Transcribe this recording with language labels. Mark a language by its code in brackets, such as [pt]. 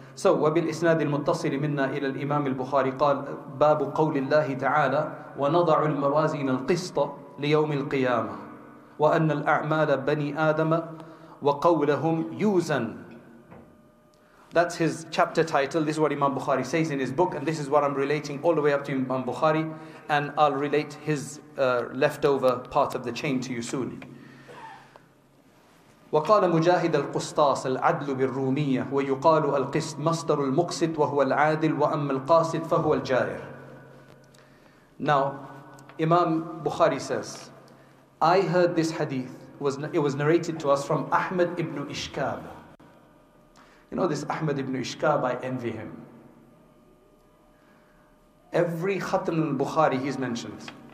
[ar] So, وَبِالْ إِسْنَادِ الْمُتَّصِلِ مِنَّا إِلَى الْإِمَامِ الْبُخَارِ قَالَ بَابُ قَوْلِ اللَّهِ تَعَالَى وَنَضَعُ الْمَوَازِينَ الْقِسْطَ لِيَوْمِ الْقِيَامَةِ وَأَنَّ الْأَعْمَالَ بَنِي آدَمَ وَقَوْلَهُمْ يُوزًا. [en] That's his chapter title. This is what Imam Bukhari says in his book. And this is what I'm relating all the way up to Imam Bukhari. And I'll relate his leftover part of the chain to you soon. [ar] وقال مجاهد القسطاس العدل بالرومية ويقال القسط مصدر المقسط وهو العادل وأما القاسط فهو الجائر. [en] Now, Imam Bukhari says, I heard this hadith. It was narrated to us from Ahmed ibn Ishkab. You know this Ahmed ibn Ishkab, I envy him. Every Khatm al-Bukhari he's mentioned.